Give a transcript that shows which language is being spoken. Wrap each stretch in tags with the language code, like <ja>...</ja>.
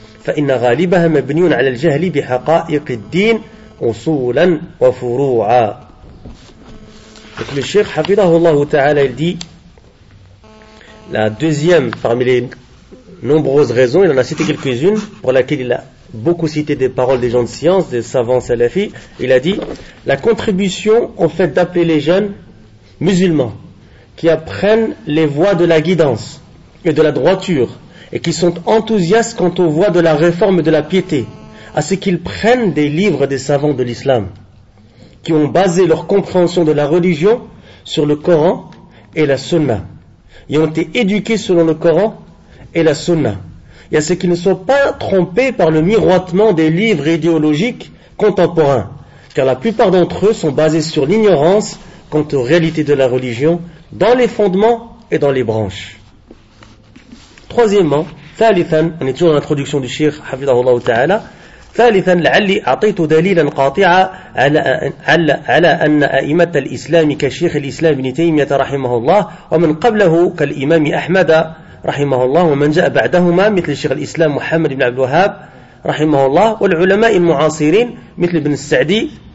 <ar>فإن غالبها مبني على الجهل بحقائق الدين أصولا وفروعا.</ar> <fr>Donc le Cheikh hafidahullah ta'ala, il dit la deuxième parmi les nombreuses raisons, il en a cité quelques-unes pour laquelle il a beaucoup cité des paroles des gens de science, des savants salafis. Il a dit la contribution au fait d'appeler les jeunes musulmans qui apprennent les voies de la guidance et de la droiture et qui sont enthousiastes quant aux voies de la réforme et de la piété, à ce qu'ils prennent des livres des savants de l'islam, qui ont basé leur compréhension de la religion sur le Coran et la Sunna, et ont été éduqués selon le Coran et la Sunna, il y a ceux qui ne sont pas trompés par le miroitement des livres idéologiques contemporains, car la plupart d'entre eux sont basés sur l'ignorance quant aux réalités de la religion dans les fondements et dans les branches. Troisièmement, ثالثاً, on est toujours dans l'introduction du Cheikh</fr> <ar>حفظه الله تعالى. ثالثاً لعلي أعطيت دليلاً قاطعة على أن أئمة الإسلام كشيخ الإسلام ابن تيمية رحمه الله ومن قبله كالإمام أحمد رحمه الله ومن جاء بعدهما مثل شيخ الإسلام محمد بن عبد الوهاب رحمه الله والعلماء المعاصرين مثل ابن السعدي</ar>